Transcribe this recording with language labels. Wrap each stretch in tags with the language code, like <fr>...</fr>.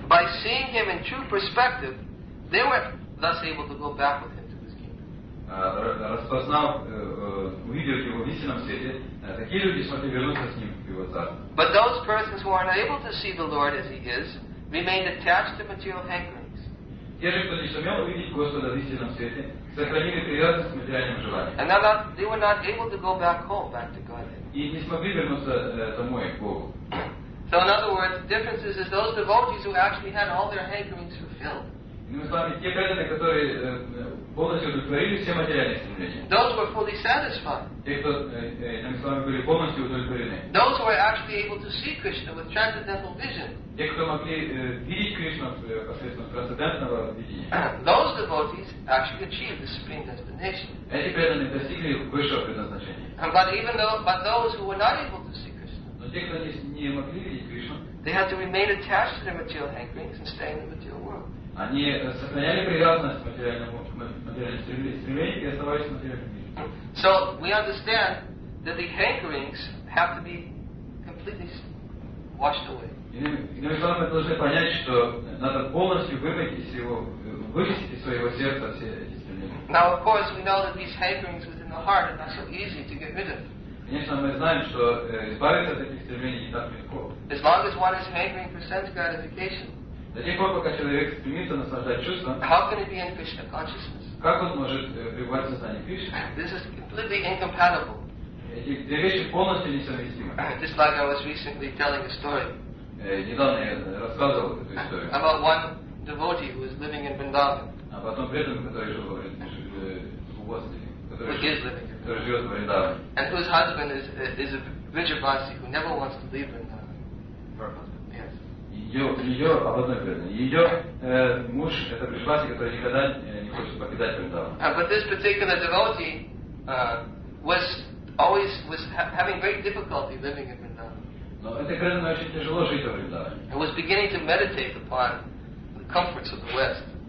<en>By seeing him in true perspective, they were thus able to go back with him to this kingdom.</en> <ru>Распознав, увидев его в истинном свете, такие люди смогли вернуться с ним в его царство.</ru> <en>But those persons who are not able to see the Lord as he is remained attached to material hankerings.</en> <ru>Те же, кто не сумел увидеть Господа в истинном свете, сохранили привязанность к материальным желаниям.</ru> <en>And not, they were not able to go back home, back to Godhead.</en> <ru>И не смогли вернуться домой, к Богу.</ru> <en>So in other words, the difference is those devotees who actually had all their hankerings fulfilled.</en> <ru>Иными словами, те преданные, которые полностью удовлетворили все материальные стремления.</ru> <en>Those were fully satisfied.</en> <ru>Те, кто, иными словами, были полностью удовлетворены.</ru> <en>Those were actually able to see Krishna with transcendental vision.</en> <ru>Те, кто могли видеть Кришну посредством трансцендентного видения.</ru> <en>Those devotees actually achieved the supreme destination.</en> <ru>Эти преданные достигли высшего предназначения.</ru> <en>But even though, but those who were not able to see Krishna.</en> <ru>Но те, кто не могли видеть Кришну.</ru> <en>They had to remain attached to their material hankerings and stay in the material world.</en> <ru>Они сохраняли привязанность к материальному стремлению и оставались в материальном мире.</ru> <en>So we understand that the hankerings have to be completely washed away.</en> <ru>Иными словами, мы должны понять, что надо полностью вымыть из его, вычистить из своего сердца все эти стремления.</ru> <en>Now, of course, we know that these hankerings within the heart are not so easy to get rid of.</en> <ru>Конечно, мы знаем, что избавиться от этих стремлений не так легко.</ru> <en>As long as one is hankering for sense gratification.</en> <ru>До тех пор, пока человек стремится наслаждать чувством,</ru> <en>how can it be in Krishna consciousness?</en> <ru>Как он может пребывать в сознании Кришны?</ru> <en>This is completely incompatible.</en> <ru>Эти две вещи полностью несовместимы.</ru> <en>Just like I was recently telling a story.</en> <ru>Недавно я рассказывал эту историю.</ru> <en>About one devotee who is living in Vrindavan.</en> <ru>Об одном преданном, который жил в Вриндаване. Который живет в Вриндаване.</ru> <en>And whose husband is a Vrijavasi who never wants to leave Vrindavan.</en> <ru>Ее об одной преданной. Ее муж это Бриджбаси, который никогда не хочет покидать Вриндаван.</ru> <en>But this particular devotee was always was having great difficulty living in Vrindavan.</en> <ru>Но этой преданной очень тяжело жить в Вриндаване.</ru> <en>And was beginning to meditate upon the comforts of the West.</en>